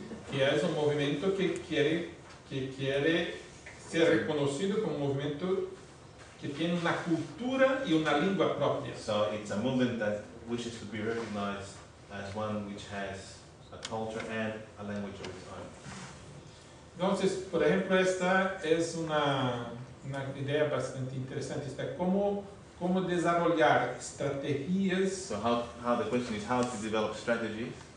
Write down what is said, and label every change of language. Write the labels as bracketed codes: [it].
[es] Que es un movimiento que quiere ser reconocido como un movimiento que tiene una cultura y una lengua propia. [en] So it's a movement that wishes to be recognized as one which has a culture and a language of its own. [es] Entonces, por ejemplo, esta es una idea bastante interesante. Esta, ¿cómo desarrollar estrategias? [en] So how the question is how to develop strategies.